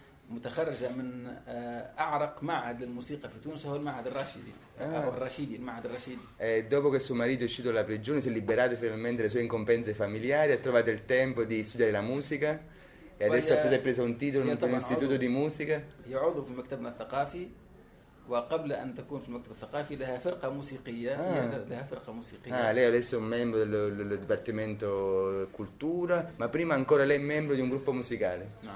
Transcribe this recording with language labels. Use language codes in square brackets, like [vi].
[ar] متخرجة من أعرق معهد الموسيقى في تونس هو المعهد الرشيدي أو الرشيدي المعهد الرشيدي. [it] Dopo che suo marito è uscito dalla prigione si è liberato finalmente delle sue incombenze familiari ha trovato il tempo di studiare la musica e adesso ha preso un titolo in un istituto di musica. [ar] هي عضو في مكتبنا الثقافي وقبل أن تكون في المكتب الثقافي لها فرقة موسيقية لها فرقة موسيقية. [it] Lei adesso è un membro del dipartimento cultura ma prima ancora lei è membro di un gruppo musicale.